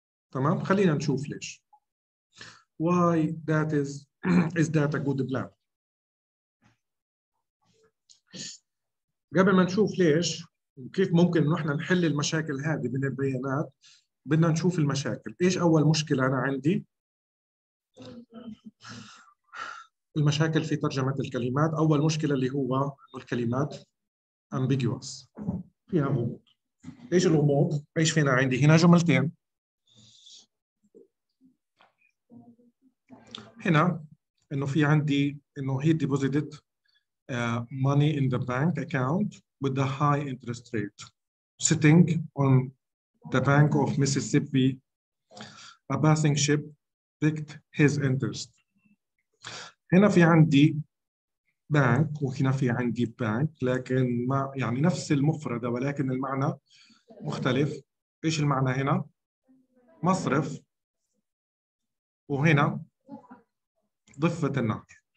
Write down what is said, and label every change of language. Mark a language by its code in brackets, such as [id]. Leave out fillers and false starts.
[ar] تمام؟ خلينا نشوف ليش. [en] Why that is that a good plan؟ [ar] قبل ما نشوف ليش وكيف ممكن نحن نحل المشاكل هذه من البيانات، بدنا نشوف المشاكل. إيش أول مشكلة أنا عندي؟ المشاكل في ترجمة الكلمات. أول مشكلة اللي هو الكلمات ambiguous، فيها غموض. إيش الغموض؟ إيش فينا عندي هنا جملتين؟ هنا انه في عندي انه هي [en] deposited money in the bank account with the high interest rate sitting on the bank of Mississippi, a passing ship picked his interest. [ar] هنا في عندي bank وهنا في عندي bank، لكن ما يعني نفس المفردة ولكن المعنى مختلف. ايش المعنى هنا؟ مصرف، وهنا ضفة النقد.